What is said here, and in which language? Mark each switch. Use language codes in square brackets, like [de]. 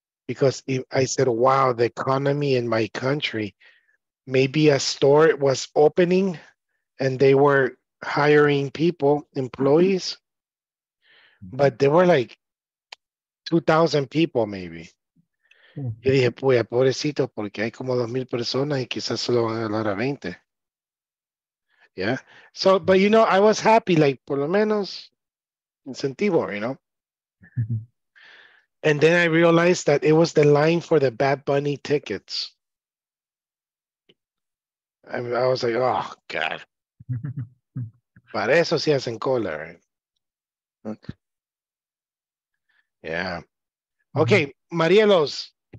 [en] because I said, wow, the economy in my country, maybe a store was opening and they were hiring people, employees, but there were like 2,000 people maybe. [es] Y dije, pues, pobrecito, porque hay como 2,000 personas y quizás solo van a hablar a 20. [en] Yeah. So, but you know, I was happy, like, [es] por lo menos, incentivo, [en] you know? And then I realized that it was the line for the Bad Bunny tickets. I mean, I was like, oh, God. [es] Para eso sí hacen cola, [en] right? Okay. Yeah. Okay, mm-hmm. Marielos.